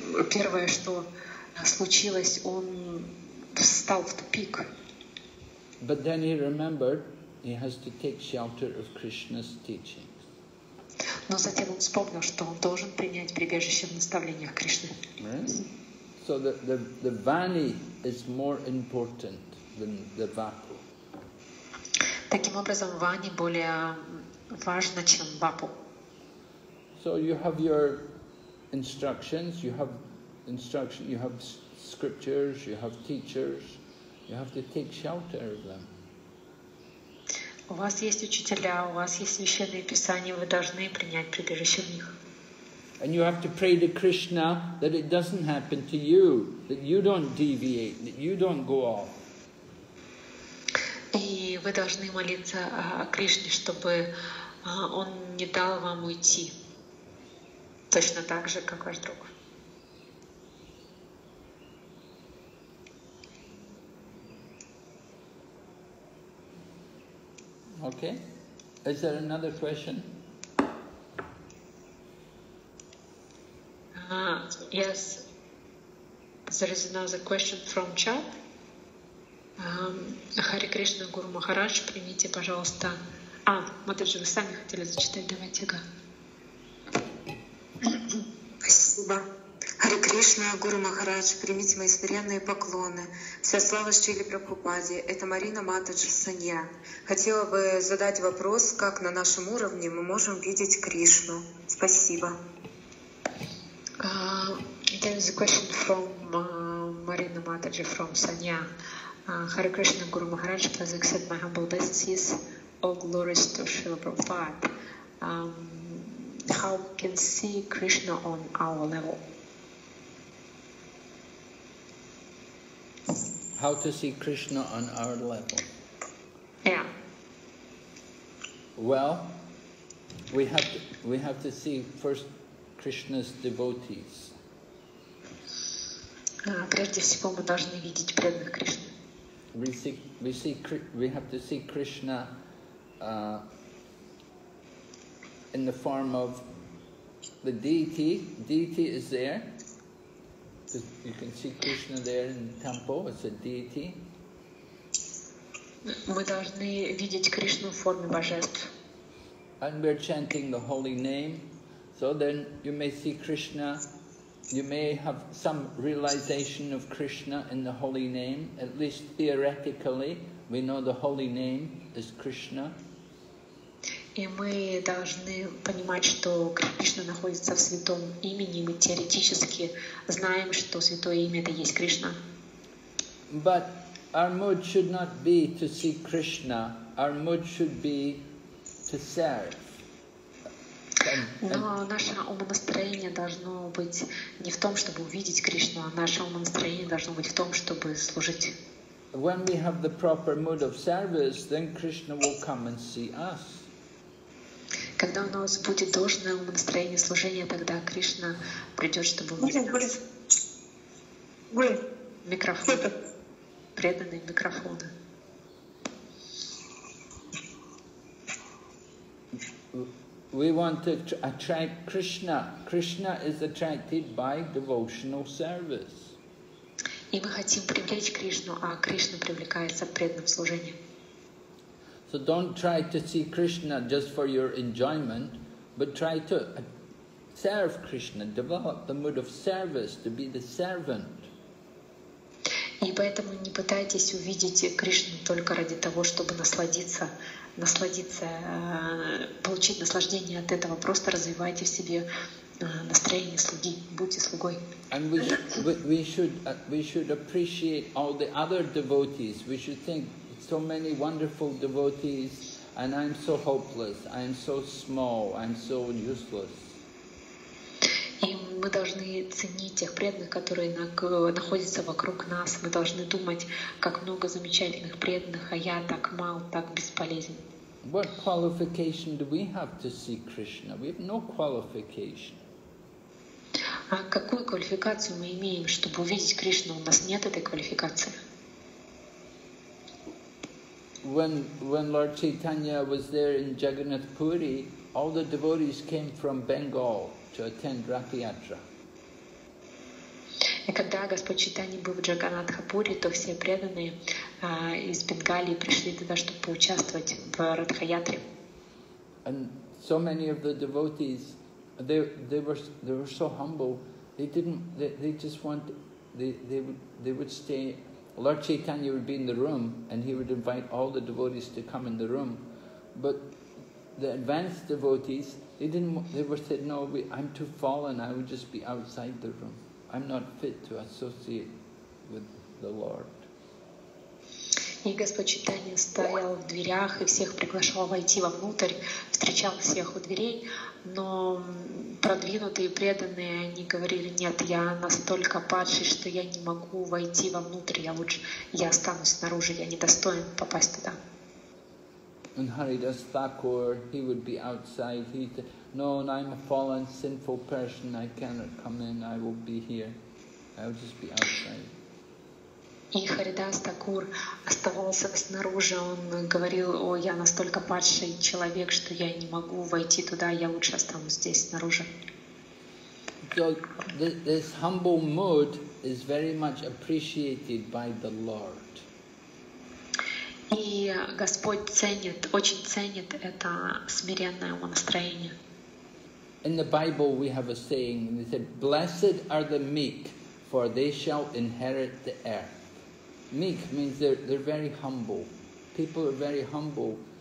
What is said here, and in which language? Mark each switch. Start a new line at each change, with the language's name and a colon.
Russian: Первое, что случилось, он встал в тупик.
English: But then he remembered he has to take shelter of Krishna's teachings.
Russian: Но затем он вспомнил, что он должен принять прибежище в наставлениях Кришны.
English: So the vani is more important than the vapu.
Russian: Таким образом, вани более важно, чем вапу.
English: So you have your instructions, you have scriptures, you have teachers, you have to take shelter of them.
Russian: У вас есть учителя, у вас есть священные писания, вы должны принять прибежище в них.
English: And you have to pray to Krishna that it doesn't happen to you, that you don't deviate, that you don't go off.
Russian: И вы должны молиться о Кришне, чтобы он не дал вам уйти. Точно так же, как ваш друг.
English: Okay. Is there another question? Yes. There is another question from chat.
Russian: Hare Krishna Guru Maharaj, примите, пожалуйста. Матаджи, вы сами хотели зачитать, давайте га. Спасибо. Харе Кришна, Гуру Махарадж, примите мои смиренные поклоны. Вся слава Шриле Прабхупаде. Это Марина Матаджи Санья. Хотела бы задать вопрос, как на нашем уровне мы можем видеть Кришну. Спасибо.
English: There is a question from Marina Mataji from Sanya. Харе Кришна, Гуру Махарадж, please accept my humble blessings. All glories to Шриле Прабхупаде. How we can see Krishna on our level? How to see Krishna on our level? Yeah. Well, we have to see first Krishna's devotees.
Russian: Прежде всего мы должны видеть преданных Кришны.
English: We have to see Krishna in the form of the deity is there. So you can see Krishna there in the temple as a deity.
Russian: Мы должны видеть Кришну в форме божеств.
English: And we're chanting the holy name, so then you may see Krishna. You may have some realization of Krishna in the holy name, at least theoretically. We know the holy name is Krishna.
Russian: И мы должны понимать, что Кришна находится в святом имени. Мы теоретически знаем, что святое имя это есть Кришна.
English: But our mood should not be to see Krishna. Our mood should be to serve.
Russian: Но наше умонастроение должно быть не в том, чтобы увидеть Кришну, а наше умонастроение должно быть в том, чтобы служить.
English: When we have the proper mood of service, then Krishna will come and see us.
Russian: Когда у нас будет должное умонастроение служения, тогда Кришна придет, чтобы увидеть. Микрофон. Преданный микрофон.
English: We want to attract Krishna. Krishna is attracted by devotional service.
Russian: И мы хотим привлечь Кришну, а Кришна привлекается преданным служением.
English: So don't try to see Krishna just for your enjoyment, but try to serve Krishna, develop the mood of service, to be the servant.
Russian: И поэтому не пытайтесь увидеть Кришну только ради того, чтобы получить наслаждение от этого. Просто развивайте в себе настроение слуги, будьте слугой.
English: And we should appreciate all the other devotees. We should think so many wonderful devotees, and I'm so hopeless. I'm so small. I'm so useless.
Russian: И мы должны ценить тех преданных, которые находятся вокруг нас. Мы должны думать, как много замечательных преданных, а я так мал, так бесполезен.
English: What qualification do we have to see Krishna? We have no qualification.
Russian: А какую квалификацию мы имеем, чтобы увидеть Кришну? У нас нет этой квалификации.
English: When Lord Chaitanya was there in Jagannath Puri, all the devotees came from Bengal. To attend Rath Yatra.
Russian: И когда Господь Чайтанья был в Джаганнатхапуре, то все преданные из Бенгалии пришли туда, чтобы поучаствовать в Ратха-ятре.
English: And so many of the devotees, they were so humble. They would stay. Lord Chaitanya would be in the room, and he would invite all the devotees to come in the room, but the advanced devotees. I'm too fallen, I would just be outside the room. I'm not fit to associate with the Lord.
Russian: И Господь Чайтанья стоял в дверях и всех приглашал войти вовнутрь, встречал всех у дверей, но продвинутые преданные, они говорили, нет, я настолько падший, что я не могу войти вовнутрь, я останусь снаружи, я недостоин попасть туда.
English: And Haridas Thakur, he would be outside. I'm a fallen, sinful person. I cannot come in. I will be here. I will just be outside.
Russian: И Харидас Такур оставался снаружи. Он говорил: "О, я настолько падший человек, что я не могу войти туда. Я лучше останусь здесь снаружи."
English: So this humble mood is very much appreciated by the Lord.
Russian: И Господь ценит, очень ценит это смиренное умонастроение.
English: In the Bible we have a saying, and they said, "Blessed are the meek, for they shall inherit the earth." Meek means they're very humble. People are very humble.